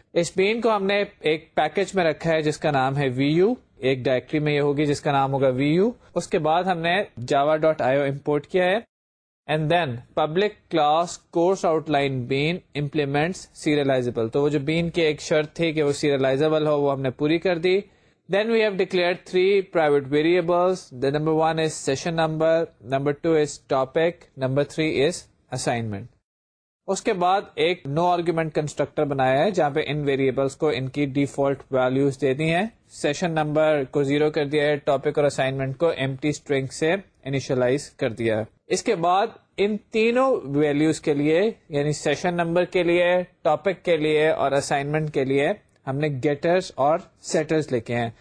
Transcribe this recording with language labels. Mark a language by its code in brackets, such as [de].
[ur] اس بین کو ہم نے ایک پیکج میں رکھا ہے جس کا نام ہے وی یو, ایک ڈائریکٹری میں یہ ہوگی جس کا نام ہوگا وی یو. اس کے بعد ہم نے جاوا ڈاٹ آئی او امپورٹ کیا ہے [en] And then public class course out line been implements serializable. [ur] تو وہ جو بین کی ایک شرط تھی کہ وہ سیریلائزبل ہو وہ ہم نے پوری کر دی. [en] Then we have declared three private variables, the number one is session number, number two is topic, number three is assignment. [ur] اس کے بعد ایک نو آرگیومنٹ کنسٹرکٹر بنایا ہے جہاں پہ ان ویریبلس کو ان کی ڈیفالٹ ویلوز دے دی ہیں. سیشن نمبر کو زیرو کر دیا ہے, ٹاپک اور اسائنمنٹ کو ایمٹی اسٹرنگ سے انیشلائز کر دیا ہے. اس کے بعد ان تینوں ویلوز کے لیے یعنی سیشن نمبر کے لیے, ٹاپک کے لیے اور اسائنمنٹ کے لیے ہم نے گیٹرز اور سیٹرز لکھے ہیں.